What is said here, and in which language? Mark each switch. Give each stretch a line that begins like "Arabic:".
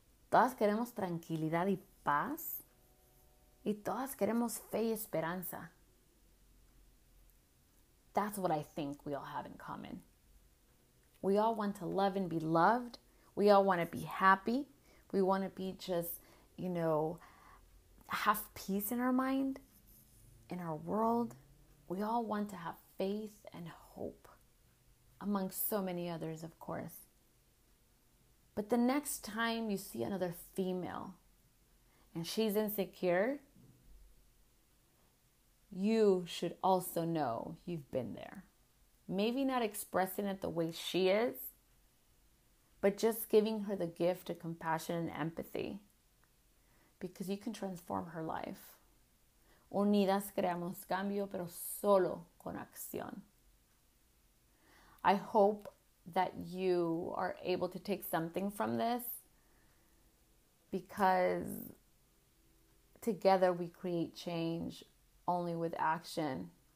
Spanish: Todas queremos tranquilidad y paz. Y todas queremos fe y esperanza.
English: That's what I think we all have in common. We all want to love and be loved. We all want to be happy. We want to be just, you know, have peace in our mind, in our world. We all want to have faith and hope, among so many others, of course. But the next time you see another female and she's insecure, you should also know you've been there. Maybe not expressing it the way she is, but just giving her the gift of compassion and empathy, because you can transform her life.
Spanish: Unidas creamos cambio, pero solo con acción.
English: I hope that you are able to take something from this, because together we create change. Only with action.